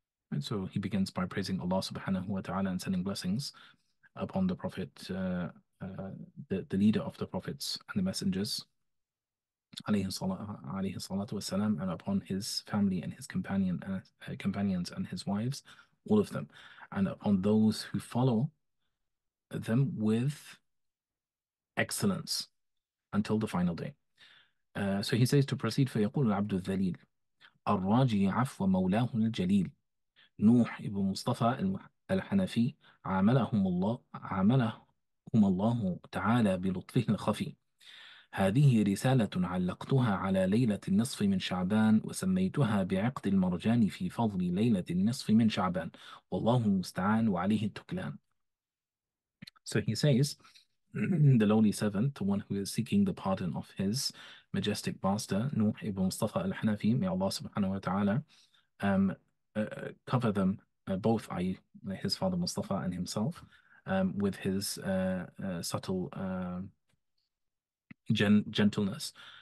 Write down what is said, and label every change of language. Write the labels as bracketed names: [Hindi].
[English] And so he begins by praising Allah subhanahu wa ta'ala and sending blessings upon the Prophet, the leader of the Prophets and the Messengers, alayhi salatu wasalam, and upon his family and his companions and his wives, all of them, and upon those who follow them with excellence until the final day. So he says to proceed, [Arabic] فَيَقُولُ الْعَبْدُ الذَّلِيلُ الرَّاجِي عَفْوَ مَوْلَاهُ الْجَلِيلُ نُوحِ ابْنُ مُصْطَفَى الْحَنَفِي عَامَلَهُمُ اللَّهُ عَامَلَهُ يحكم الله تعالى بلطفه الخفي. هذه رسالة علقتها على ليلة النصف من شعبان وسميتها بعقد المرجان في فضل ليلة النصف من شعبان. والله المستعان وعليه التكلان. [English] So he says, the lowly servant, the one who is seeking the pardon of his majestic master, Nuh ibn Mustafa al-Hanafi, may Allah subhanahu wa ta'ala cover them both, i.e. his father Mustafa and himself, with his subtle gentleness.